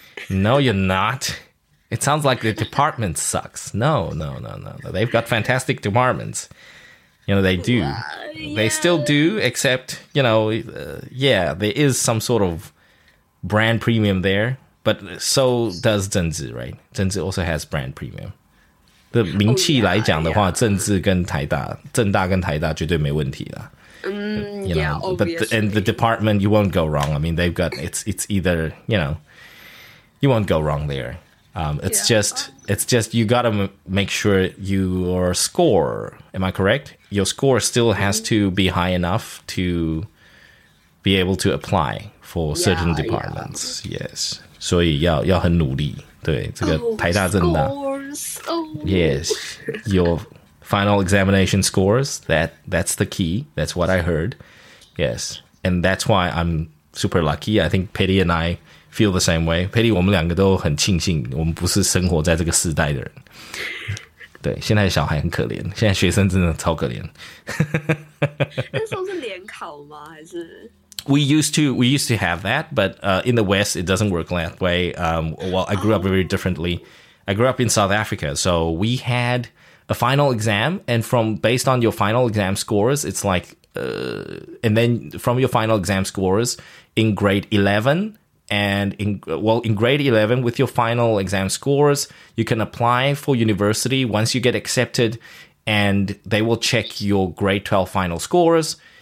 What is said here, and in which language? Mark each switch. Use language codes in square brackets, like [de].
[en] No, you're not. It sounds like the department sucks. No. They've got fantastic departments. You know, they do. They still do, except, you know, there is some sort of brand premium there. But so does 政治, right? 政治 also has brand premium. [zh] 名气来讲的话, 政大跟台大绝对没问题啦。 [en] Obviously. And the department, you won't go wrong. I mean, they've got, it's either, you know, you won't go wrong there. It's just you gotta make sure your score, am I correct? Your score still has to be high enough to be able to apply for certain departments. Yes. [zh] 所以要很努力, 对, 这个台大政大, [en] yes, your final examination scores, that's the key. That's what I heard. Yes. And that's why I'm super lucky. I think Petty and I feel the same way. [zh] Petty, 我们两个都很庆幸我们不是生活在这个世代的人。对，现在小孩很可怜， 现在学生真的超可怜。那时候是联考吗？还是？ [en] We used to have that, but in the West, it doesn't work that way. I grew up very differently. I grew up in South Africa, so we had a final exam, and based on your final exam scores, it's like, and then from your final exam scores in grade 11, in grade 11, with your final exam scores, you can apply for university once you get accepted, and they will check your grade 12 final scores.